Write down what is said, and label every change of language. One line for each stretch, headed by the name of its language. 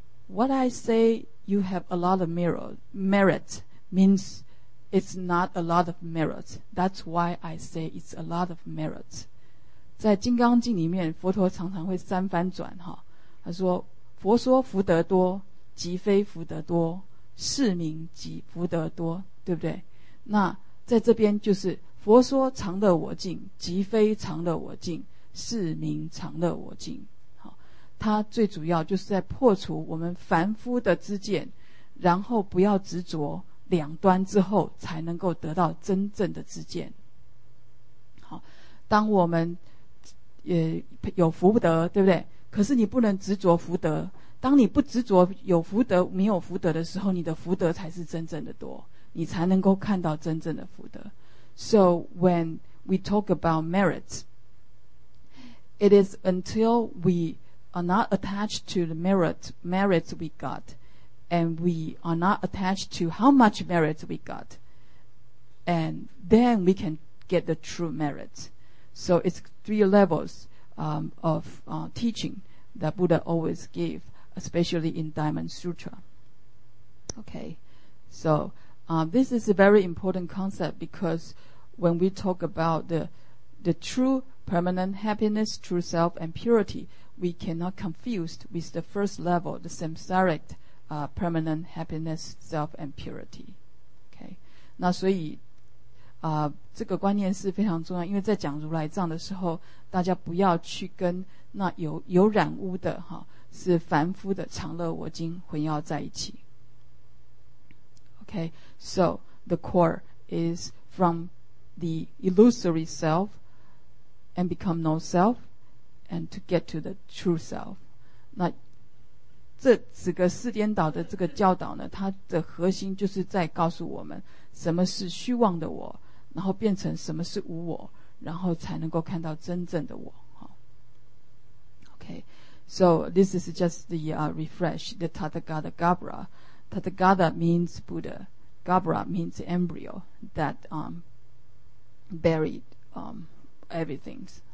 English: What I say, you have a lot of merit means it's not a lot of merit. That's why I say it's a lot of merit.
Chinese: 在《金刚经》里面，佛陀常常会三番转哈。他说：“佛说福德多，即非福德多；是名即福德多，对不对？” 那在这边就是佛说常乐我净，即非常乐我净，是名常乐我净。它最主要就是在破除我们凡夫的知见，然后不要执着两端之后，才能够得到真正的知见。好，当我们也有福德，对不对？可是你不能执着福德。当你不执着有福德没有福德的时候，你的福德才是真正的多，你才能够看到真正的福德。
English: So when we talk about merit, it is until we are not attached to the merits we got, and we are not attached to how much merits we got, and then we can get the true merits. So it's three levels of teaching that Buddha always gave, especially in Diamond Sutra. Okay, so this is a very important concept, because when we talk about the true permanent happiness, true self, and purity, we cannot confused with the first level, the samsaric permanent happiness, self and purity. Okay.
Chinese: 那所以这个观念是非常重要，因为在讲如来藏的时候，大家不要去跟那有染污的哈，是凡夫的常乐我今混淆在一起。
English: Okay, so the core is from the illusory self and become no self and to get to the true self.
Chinese: 那这几个四颠倒的这个教导呢，它的核心就是在告诉我们什么是虚妄的我，然后变成什么是无我，然后才能够看到真正的我。
English: Okay, so this is just the refresh, the Tathagata Gabbara. Tathagata means Buddha. Gabbara means embryo that buried everything.